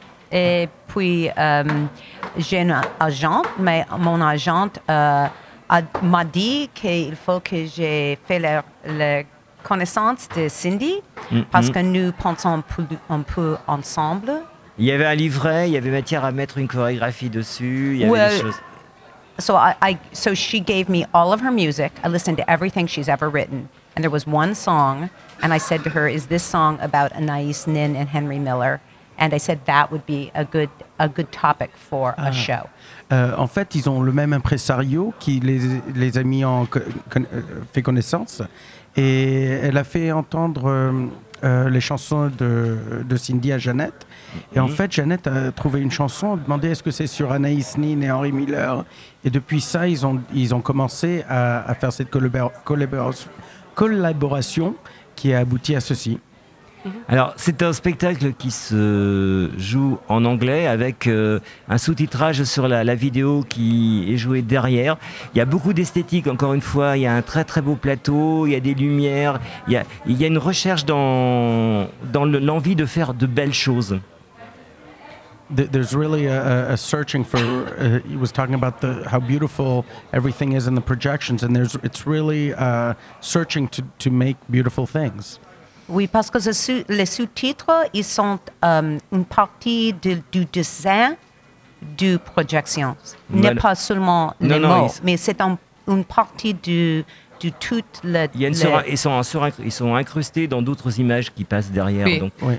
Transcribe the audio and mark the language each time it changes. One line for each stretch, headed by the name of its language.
French: Et puis, j'ai une agente, mais mon agente m'a dit qu'il faut que j'ai fait la connaissance de Cindy parce que nous pensons un peu ensemble. Il y avait un livret, il y avait matière à mettre une chorégraphie dessus, il y avait des choses.
English: So she gave me all of her music. I listened to everything she's ever written. And there was one song, and I said to her, is this song about Anaïs Nin and Henry Miller? And I said, that would be a good topic for a show.
French: En fait, ils ont le même impresario qui les a mis en fait connaissance. Et elle a fait entendre les chansons de Cindy à Jeannette. Et en fait, Jeannette a trouvé une chanson, a demandé est-ce que c'est sur Anaïs Nin et Henry Miller. Et depuis ça, ils ont commencé à faire cette collaboration qui a abouti à ceci. Alors, c'est un spectacle qui se joue en anglais avec un sous-titrage sur la vidéo qui est jouée derrière. Il y a beaucoup d'esthétique, encore une fois. Il y a un très très beau plateau, il y a des lumières. Il y a une recherche dans l'envie de faire de belles choses.
English: There's really a searching for. He was talking about how beautiful everything is in the projections, and it's really searching to make beautiful things.
French: Oui, parce que les sous-titres, ils sont une partie du dessin du projection. N'est pas seulement les mots, mais c'est une partie du tout. Ils sont incrustés dans d'autres images qui passent derrière. Oui. Donc, oui.